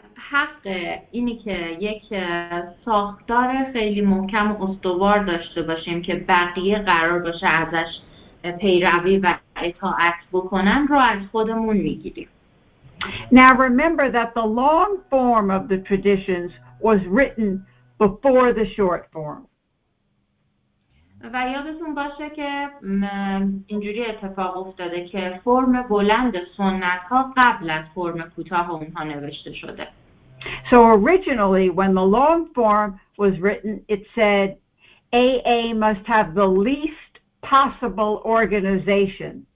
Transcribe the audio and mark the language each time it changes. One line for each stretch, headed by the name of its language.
Persian: حق اینی که یک ساختار خیلی محکم و استوار داشته باشیم که بقیه قرار باشه ازش پیروی و اطاعت بکنن رو از خودمون میگیریم.
English: Now remember that the long form of the traditions was written before the short form.
Persian: و یادتون باشه که اینجوری اتفاق افتاده که فرم بلند سنت ها قبل از فرم کوتاه اونها نوشته شده.
English: So originally when the long form was written it said AA must have the least possible organization.